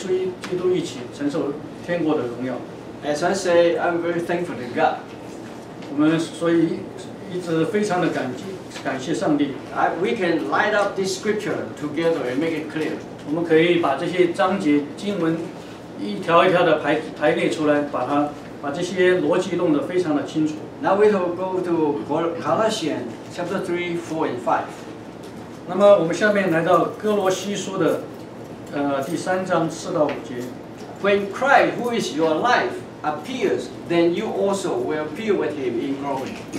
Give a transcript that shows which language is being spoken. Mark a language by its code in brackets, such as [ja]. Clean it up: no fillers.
[zh] 那么我们可以像耶稣基督一样，跟耶稣基督一起承受天国的荣耀。 [en] As I say, I'm very thankful to God. [zh] 我们所以一直非常的感激，感谢上帝。 [en] We can light up this scripture together and make it clear. [zh] 我们可以把这些章节经文一条一条的排列出来，把这些逻辑弄得非常的清楚。 [en] Now we will go to Colossians chapter 3, 4, and 5. [zh] 那么我们下面来到哥罗西书的第三章四到五节。 [en] When Christ, who is your life, appears, then you also will appear with him in glory.